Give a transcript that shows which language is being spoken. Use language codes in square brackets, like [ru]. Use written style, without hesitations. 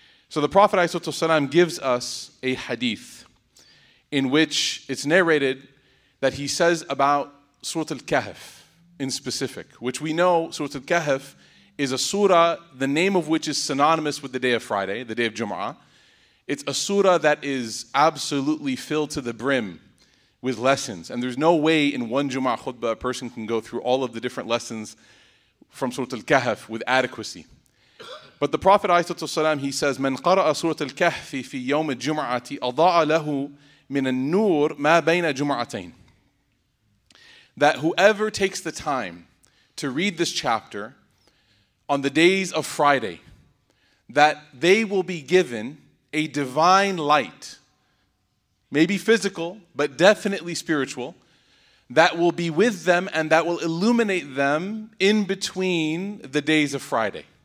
[en] So the Prophet ﷺ gives us a hadith in which it's narrated that he says about Surah Al-Kahf in specific, which we know Surah Al-Kahf is a surah, the name of which is synonymous with the day of Friday, the day of Jum'ah. It's a surah that is absolutely filled to the brim with lessons. And there's no way in one Jum'ah khutbah a person can go through all of the different lessons from Surah Al-Kahf with adequacy. But the Prophet ﷺ, he says, [ar] مَنْ قَرَأَ سُورَةَ الْكَهْفِ فِي يَوْمِ الْجُمْعَةِ أَضَاءَ لَهُ مِنَ النُّورِ مَا بَيْنَ جُمْعَتَيْنِ. [en] That whoever takes the time to read this chapter on the days of Friday, that they will be given a divine light, maybe physical, but definitely spiritual, that will be with them and that will illuminate them in between the days of Friday.